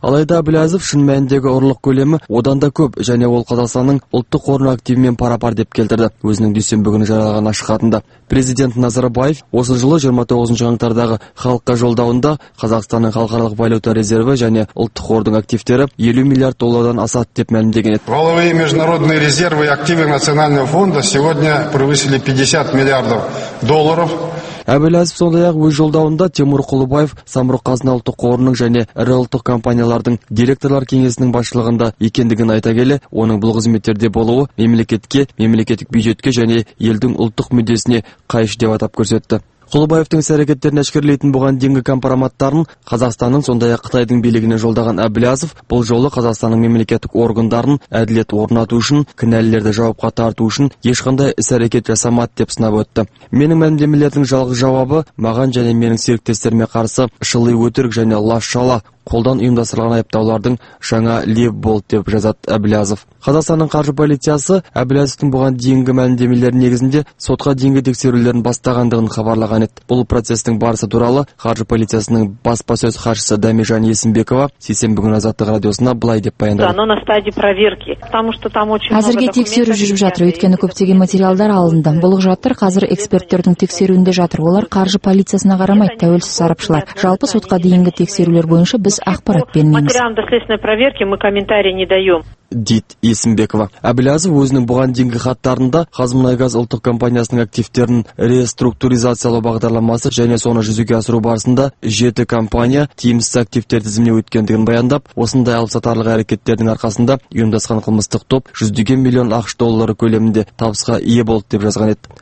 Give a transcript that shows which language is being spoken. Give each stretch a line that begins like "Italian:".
Kazakh: Алайда Әбілязов шын мәніндегі ұрлық көлемі одан да көп және ол Қазақстанның ұлттық қорының активімен пара-пар деп келтірді. Өзінің дүйсенбі күні жарияланған ашық хатында президент Назарбаев осы жылы 29 қаңтардағы халыққа жолдауында Қазақстанның халықаралық валюта резерві және ұлттық қордың активтері 50 миллиард доллардан асады деп мәлімдеген еді.
Russian: Валовые международные резервы и активы национального фонда сегодня превысили 50 миллиардов долларов.
Kazakh: Әбілязов сондай-ақ өз жолдауында Тимур Құлыбаев Самұрық-Қазына ұлттық қорының және ірі ұлттық компаниялардың директорлар кеңесінің басшылығында екендігін айта келе, оның бұл қызметтерде болуы мемлекетке, мемлекеттік бюджетке және елдің ұлттық мүддесіне қайшы деп атап көрсетті. Құлыбаевтың әрекеттерін әшкерлейтін бұған дейінгі компроматтарын Қазақстанның сондай-ақ Қытайдың билігіне жолдаған Әбілязов бұл жолы Қазақстанның мемлекеттік органдарын әділет орнату үшін, кінәлілерді жауапқа тарту үшін ешқандай іс-әрекет жасамады деп сынап өтті. Менің мәлімдемелердің жалғыз жауабы маған және менің серіктестеріме қарсы шылы өтірік және лашшала қолдан ұйымдастырылған айыптаулардың жаңа леп болды деп жазады Әбілязов. Қазақстанның қаржы полициясы Әбілязовтың бұған дейінгі мәлімдемелерінің негізінде сотқа дейінгі тексерулерін бастағандығын хабарлаған еді. Бұл процестің барысы туралы қаржы полициясының баспасөз хатшысы Дәмежан Есімбекова сейсенбі күні Азаттық радиосына былай деп баяндады.
Russian: На стадии проверки, потому что там очень много.
Kazakh: Әзірге тексеру жүріп жатыр, өйткені көптеген материалдар алынды. Бұл құжаттар қазір эксперттердің тексеруінде жатыр. Олар қаржы полициясына қарамайды, тәуелсіз сарапшылар. Жалпы сотқа дейінгі тексерулер бойынша біз ақпарат бермейміз.
Russian: Материалды следственной проверки мы комментарий не даем.
Kazakh: Дит Есімбекова. Әбілязов өзінің бұған дейінгі хаттарында Қазмұнайгаз ұлттық компаниясының активтерін реструктуризациялау бағдарламасы және соны жүзеге асыру барысында жеті компания тиімсіз активтер тізіміне өткендігін баяндап, осындай алыпсатарлық әрекеттердің арқасында ұйымдасқан қылмыстық топ 100 миллион ақш доллары көлемінде табысқа ие болды деп жазған еді.